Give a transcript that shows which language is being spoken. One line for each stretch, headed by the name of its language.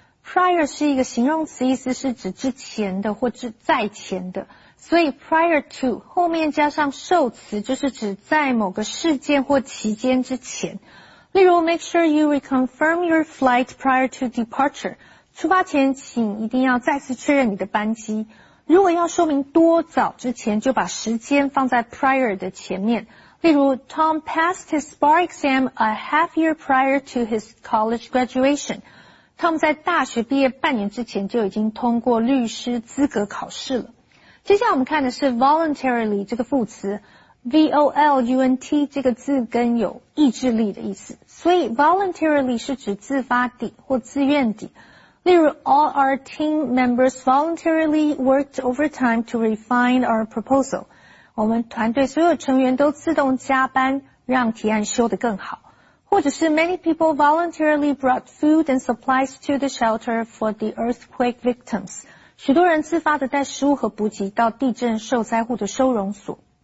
Chinese: Prior 是一个形容词，意思是指之前的或是在前的。所以 prior to 后面加上受词就是指在某个事件或期间之前。例如
English: make sure you reconfirm your flight prior to departure.
Chinese: 出发前请一定要再次确认你的班机。如果要说明多早之前就把时间放在 prior 的前面。例如
English: Tom passed his bar exam a half year prior to his college graduation.
Chinese: Tom 在大学毕业半年之前就已经通过律师资格考试了。接下来我们看的是 voluntarily 这个副词 ,V-O-L-U-N-T 这个字根有意志力的意思。所以 voluntarily 是指自发地或自愿地。例如
English: ,all our team members voluntarily worked overtime to refine our proposal.
Chinese: 我们团队所有成员都自动加班让提案修得更好。或者是
English: many people voluntarily brought food and supplies to the shelter for the earthquake victims.
Chinese: 许多人自发地带食物和补给到地震受灾户的收容所。